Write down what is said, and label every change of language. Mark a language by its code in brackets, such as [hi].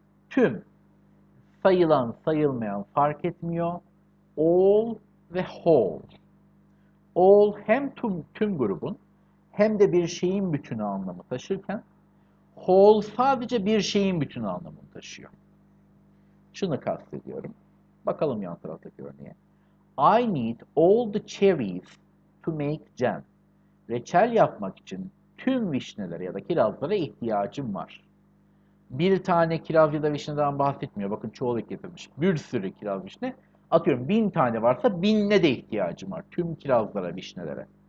[tr] Tüm sayılan sayılmayan fark etmiyor. All ve whole. All hem tüm grubun hem de bir şeyin bütünü anlamı taşırken whole sadece bir şeyin bütünü anlamını taşıyor. Şunu kastediyorum. Bakalım yan taraftaki örneğe. [en] I need all the cherries to make jam. [tr] Reçel yapmak için tüm vişnelere ya da kirazlara ihtiyacım var. Bir tane kiraz ya da vişneden bahsetmiyor. Bakın çoğul getirmiş. Bir sürü kiraz vişne. Atıyorum 1.000 tane varsa 1.000'ine de ihtiyacım var. Tüm kirazlara, vişnelere.